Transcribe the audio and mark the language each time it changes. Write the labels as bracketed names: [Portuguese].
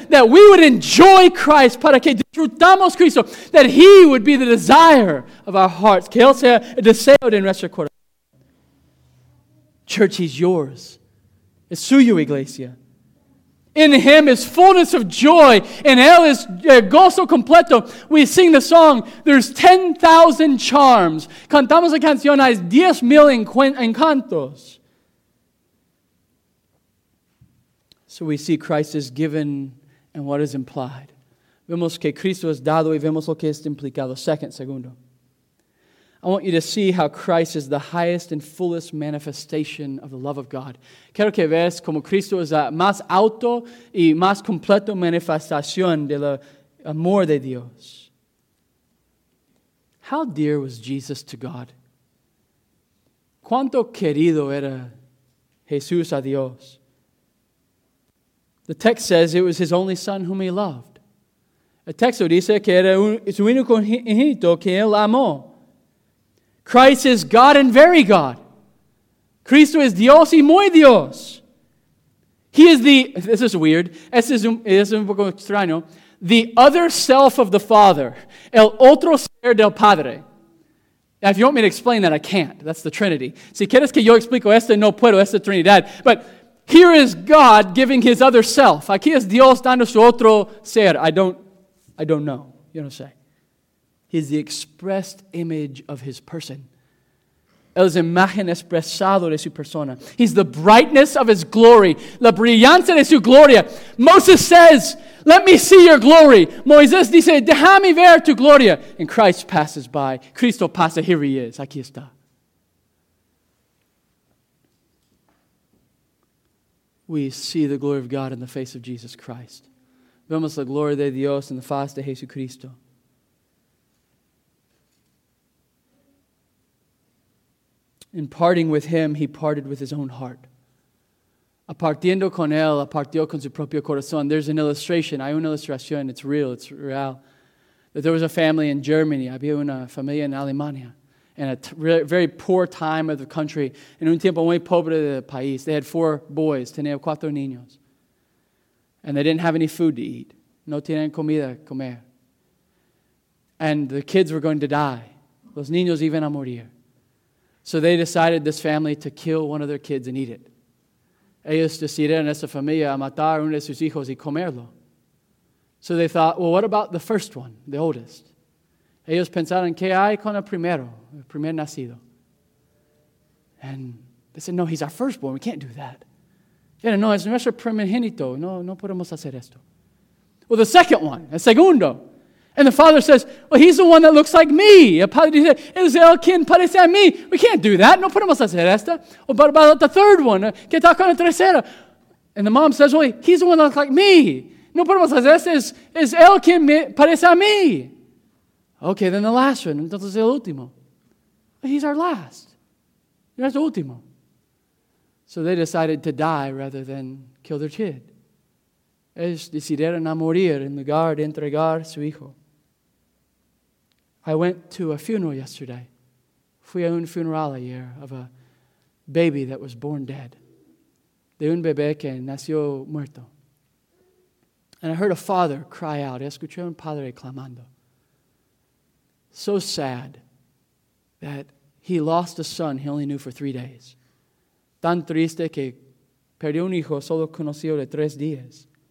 [English] That we would enjoy Christ [Spanish] para que disfrutamos Cristo. [English] That he would be the desire of our hearts. [Spanish] Que él sea el deseo de nuestro corazón. [English] Church, he's yours. [Spanish] Es suyo, iglesia. [English] In him is fullness of joy. In [Spanish] él es gozo completo. [English] We sing the song, there's 10,000 charms. [Spanish] Cantamos la canción, hay 10,000 encantos. [English] So we see Christ is given and what is implied. [Spanish] Vemos que Cristo es dado y vemos lo que es implicado. Segundo. [English] I want you to see how Christ is the highest and fullest manifestation of the love of God. [Spanish] Quiero que veas como Cristo es la más alto y más completo manifestación del amor de Dios. [English] How dear was Jesus to God? [Spanish] ¿Cuánto querido era Jesús a Dios? [English] The text says it was his only son whom he loved. [Spanish] El texto dice que era su único hijito que él amó. [English] Christ is God and very God. [Spanish] Cristo es Dios y muy Dios. [English] He is the, this is weird, [Spanish] es un poco extraño, [English] the other self of the Father, [Spanish] el otro ser del Padre. [English] Now, if you want me to explain that, I can't. That's the Trinity. [Spanish] Si quieres que yo explico esto, no puedo, esta Trinidad. [English] But here is God giving his other self. [Spanish] Aquí es Dios dando su otro ser. [English] I don't know. You don't say. He is the expressed image of his person. [Spanish] Él es imagen expresado de su persona. [English] He's the brightness of his glory. [Spanish] La brillanza de su gloria. [English] Moses says, let me see your glory. [Spanish] Moisés dice, déjame ver tu gloria. [English] And Christ passes by. [Spanish] Cristo pasa. [English] Here he is. [Spanish] Aquí está. [English] We see the glory of God in the face of Jesus Christ. [Spanish] Vemos la gloria de Dios en la face de Jesucristo. [English] In parting with him, he parted with his own heart. [Spanish] Apartiendo con él, apartió con su propio corazón. [English] There's an illustration. [Spanish] Hay una ilustración. [English] It's real. It's real. That there was a family in Germany. [Spanish] Había una familia en Alemania. [English] In a very poor time of the country. [Spanish] En un tiempo muy pobre del país. [English] They had four boys. [Spanish] Tenían cuatro niños. [English] And they didn't have any food to eat. [Spanish] No tenían comida comer. [English] And the kids were going to die. [Spanish] Los niños iban a morir. [English] So they decided, this family, to kill one of their kids and eat it. [Spanish] Ellos decidieron esa familia a matar uno de sus hijos y comerlo. [English] So they thought, well, what about the first one, the oldest? [Spanish] Ellos pensaron, ¿qué hay con el primer nacido? [English] And they said, no, he's our firstborn. We can't do that. [Spanish] Pero no, es nuestro primogénito. No, no podemos hacer esto. [English] Well, the second one, [Spanish] el segundo. [English] And the father says, well, he's the one that looks like me. [Spanish] El padre dice, es el quien parece a mí. [English] We can't do that. [Spanish] No podemos hacer esto. [English] Well, what about the third one? [Spanish] ¿Qué tal con el tercero? [English] And the mom says, well, he's the one that looks like me. [Spanish] No podemos hacer esto. Es el quien parece a mí. [English] Okay, then the last one. [Spanish] Entonces el último. [English] He's our last. He's the [Spanish] último. [English] So they decided to die rather than kill their kid. [Spanish] Ellos decidieron a morir en lugar de entregar su hijo. [English] I went to a funeral yesterday. [Spanish] Fui a un funeral ayer [English] of a baby that was born dead. [Spanish] De un bebé que nació muerto. [English] And I heard a father cry out. [Spanish] Escuché un padre clamando. [English] So sad that he lost a son he only knew for 3 days. [Spanish] Tan triste que perdió un hijo solo conocido de 3 días.